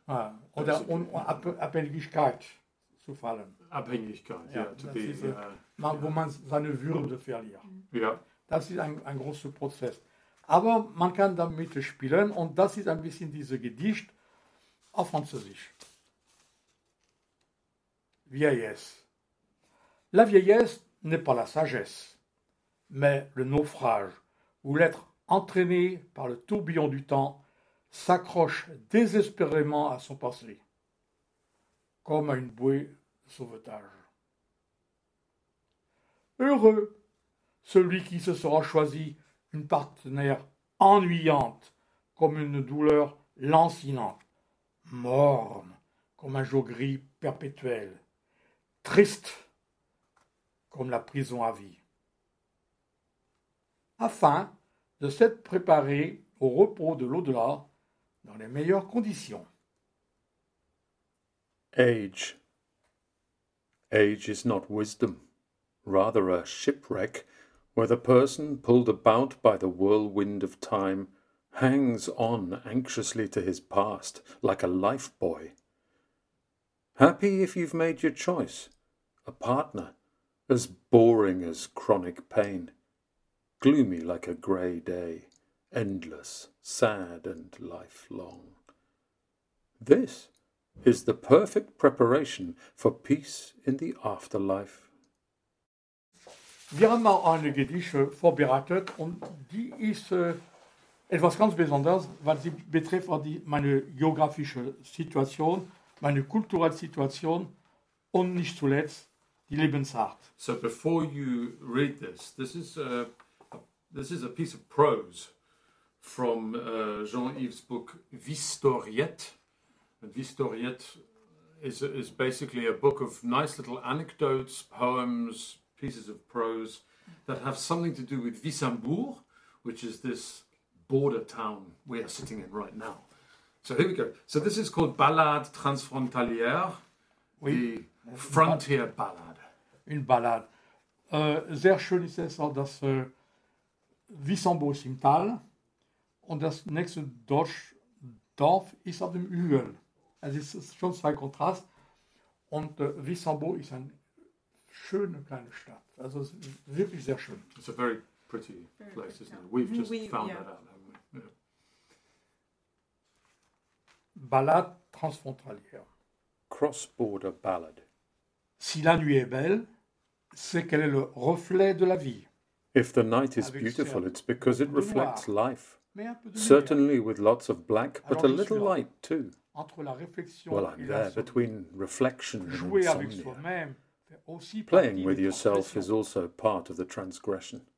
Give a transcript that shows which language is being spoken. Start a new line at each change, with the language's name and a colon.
German: Ah, oder Abhängigkeit zu fallen. Abhängigkeit, ja. Wo man seine Würde verliert.
English: Yeah.
German: Das ist ein großer Prozess. Aber man kann damit spielen und das ist ein bisschen dieses Gedicht auf Französisch.
French: Vieillesse. La vieillesse n'est pas la sagesse, mais le naufrage où l'être entraîné par le tourbillon du temps s'accroche désespérément à son passé, comme à une bouée de sauvetage. Heureux celui qui se sera choisi une partenaire ennuyante comme une douleur lancinante, morne comme un jour gris perpétuel, triste comme la prison à vie. Afin de s'être préparé au repos de l'au-delà dans les meilleures conditions.
English: Age. Age is not wisdom, rather a shipwreck where the person pulled about by the whirlwind of time hangs on anxiously to his past like a life buoy. Happy if you've made your choice. A partner, as boring as chronic pain, gloomy like a grey day, endless, sad, and lifelong. This is the perfect preparation for peace in the afterlife.
German: Wir haben auch ein Gedicht vorbereitet und die ist etwas ganz Besonderes, weil sie betrifft auch meine geografische Situation, meine kulturelle Situation und nicht zuletzt die Lebensart.
English: So before you read this, this is a piece of prose from Jean-Yves' book Vistoriette. And Vistoriette is basically a book of nice little anecdotes, poems, pieces of prose that have something to do with Wissembourg, which is this border town we are sitting in right now. So here we go. So this is called Ballade Transfrontalière, oui. The frontier ballade.
French: Une ballade.
German: Sehr schön ist es auch das Wissembourg im Tal und das nächste Dorf ist auf dem Hügel. Es ist schon zwei Kontrast und Wissembourg ist eine schöne kleine Stadt.
English: Also, it's really very schön. It's a very pretty very place, pretty, isn't it? We've just found that out, haven't we? Yeah.
French: Ballade transfrontalière.
English: Cross-border ballad.
French: Si la nuit est belle, c'est qu'elle est le reflet de la vie.
English: If the night is beautiful, it's because it reflects life. Certainly with lots of black, but a little light too.
French: Entre la réflexion
English: well, I'm
French: et
English: there
French: la
English: between reflection
French: jouer
English: and insomnia. Playing with yourself is also part of the transgression.